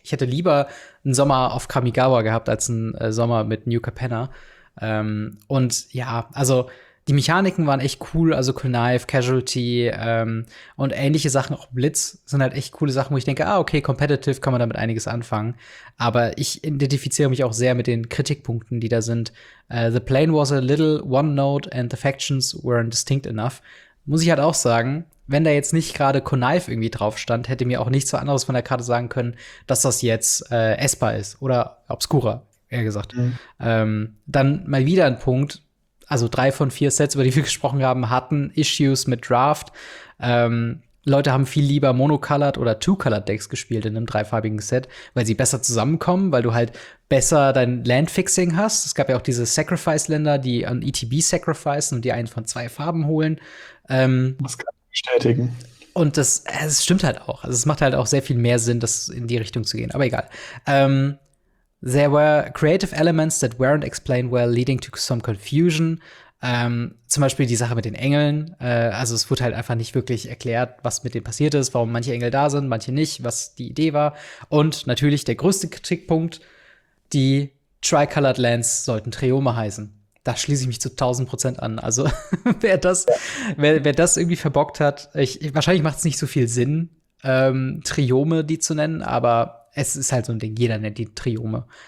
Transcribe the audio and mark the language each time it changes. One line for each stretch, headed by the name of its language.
German: Ich hätte lieber einen Sommer auf Kamigawa gehabt als einen Sommer mit Nukupenna. Und ja, also die Mechaniken waren echt cool, also Knife, Casualty und ähnliche Sachen, auch Blitz, sind halt echt coole Sachen, wo ich denke, ah, okay, Competitive kann man damit einiges anfangen. Aber ich identifiziere mich auch sehr mit den Kritikpunkten, die da sind.
English: The plane was a little one-note and the factions weren't distinct enough.
German: Muss ich halt auch sagen, wenn da jetzt nicht gerade Knife irgendwie drauf stand, hätte mir auch nichts anderes von der Karte sagen können, dass das jetzt Esper ist oder Obscura, eher gesagt. Mhm. Dann mal wieder ein Punkt. Also 3 von 4 Sets, über die wir gesprochen haben, hatten Issues mit Draft. Leute haben viel lieber Monocolored oder Two-Colored-Decks gespielt in einem dreifarbigen Set, weil sie besser zusammenkommen, weil du halt besser dein Land-Fixing hast. Es gab ja auch diese Sacrifice-Länder, die an ETB sacrificen und die einen von 2 Farben holen. Das kann ich bestätigen. Und das stimmt halt auch. Also es macht halt auch sehr viel mehr Sinn, das in die Richtung zu gehen. Aber egal.
English: There were creative elements that weren't explained well, leading to some confusion.
German: Zum Beispiel die Sache mit den Engeln. Also es wurde halt einfach nicht wirklich erklärt, was mit denen passiert ist, warum manche Engel da sind, manche nicht, was die Idee war. Und natürlich der größte Kritikpunkt, die Tricolored Lands sollten Triome heißen. Da schließe ich mich zu 1000% an. Also wer das irgendwie verbockt hat, wahrscheinlich macht es nicht so viel Sinn, Triome die zu nennen, aber es ist halt so ein Ding, jeder nennt die Triome.